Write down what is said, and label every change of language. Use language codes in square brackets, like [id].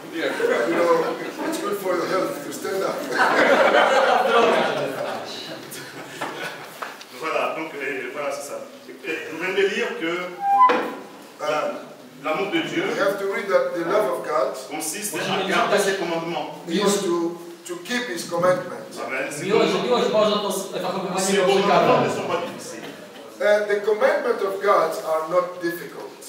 [en] You know, it's good for your health to stand up. [fr] Voilà, donc voilà, c'est ça. Vous venez de lire que l'amour de Dieu [en] have to read that the love of God [fr] consiste à garder ses commandements. [en] To keep his commandments. The commandments of God are not difficult.